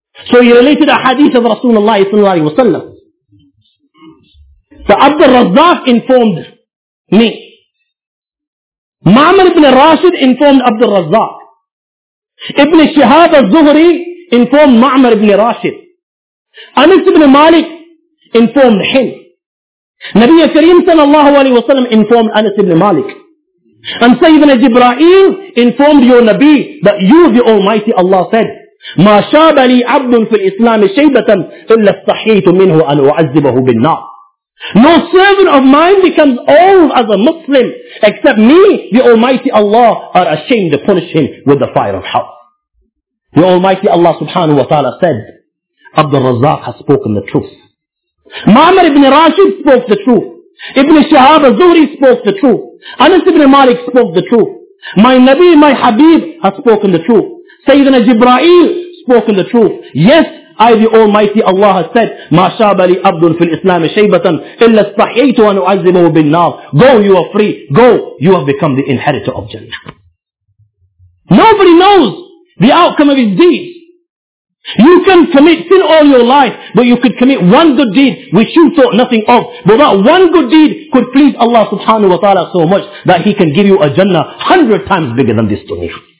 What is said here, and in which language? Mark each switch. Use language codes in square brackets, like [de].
[en] So he related a hadith of Rasulullah sallallahu alayhi wa sallam. So Abdul Razzaq informed me. Ma'mar ibn Rashid informed Abdul Razzaq. Ibn Shihab al-Zuhri informed Ma'mar ibn Rashid. Anas ibn Malik informed him. Nabi Kareem sallallahu alayhi wa sallam informed Anas ibn Malik. And Sayyidina Jibra'il informed your Nabi that you, the Almighty Allah, said, [ar] مَا شَابَ لِي عَبْدٌ فِي الْإِسْلَامِ شَيْبَةً إِلَّا اسْتَحْيَيْتُ مِنْهُ أَنْ أُعَذِّبَهُ بِالنَّارِ. [en] No servant of mine becomes old as a Muslim except me, the Almighty Allah, are ashamed to punish him with the fire of hell. The Almighty Allah subhanahu wa ta'ala said, Abdul Razzaq has spoken the truth. Ma'mar ibn Rashid spoke the truth. Ibn Shihab al-Zuhri spoke the truth. Anas ibn Malik spoke the truth. My Nabi, my Habib, has spoken the truth. Sayyidina Jibra'il spoken the truth. Yes, I, the Almighty Allah, has said, [ar] مَا شَابَ لِي أَبْدٌ فِي الْإِسْلَامِ شَيْبَةً إِلَّا اسْتَحْيَيْتُ أَنْ أُعَذِّبَهُ بِالنَّارِ. [en] Go, you are free. Go, you have become the inheritor of Jannah. Nobody knows the outcome of his deeds. You can commit sin all your life, but you could commit one good deed which you thought nothing of. But that one good deed could please Allah subhanahu wa ta'ala so much that He can give you a Jannah 100 times bigger than this dunya.